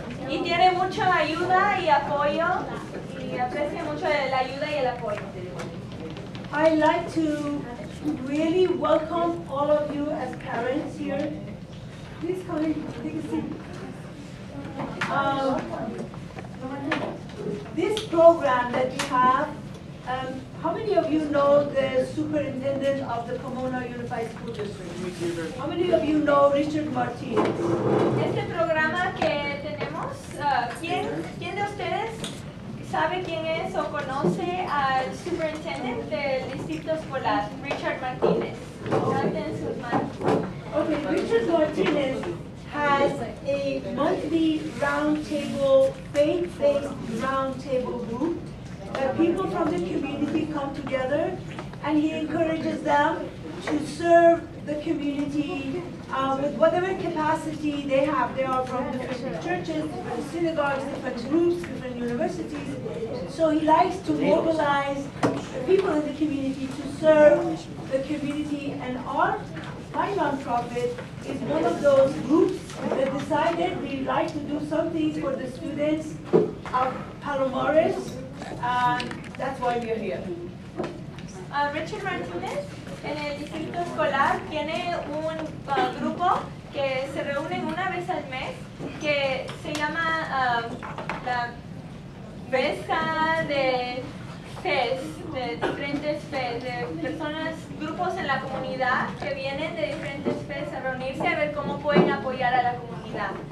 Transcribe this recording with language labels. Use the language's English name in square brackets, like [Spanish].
[Spanish] Y tiene mucha ayuda y apoyo, y aprecia mucho la ayuda y el apoyo. [English] I'd like to really welcome all of you as parents here. Please come in, take a seat. This program that we have, how many of you know the superintendent of the Pomona Unified School District? How many of you know Richard Martinez? [Spanish] Este programa que tenemos, ¿quién de ustedes sabe quién es o conoce al superintendente del distrito escolar, Richard Martinez? Levanten sus manos. [English] Okay, Richard Martinez has a monthly round table, faith-based round table group. People from the community come together, and he encourages them to serve the community with whatever capacity they have. They are from different churches, different synagogues, different groups, different universities. So he likes to mobilize the people in the community to serve the community. And our my nonprofit is one of those groups that decided we like to do something for the students of Palomares. That's why we are here. [Spanish] Richard Martinez, en el distrito escolar, tiene un grupo que se reúne una vez al mes, que se llama la mesa de FES, de diferentes FES, de personas, grupos en la comunidad que vienen de diferentes FES a reunirse a ver cómo pueden apoyar a la comunidad.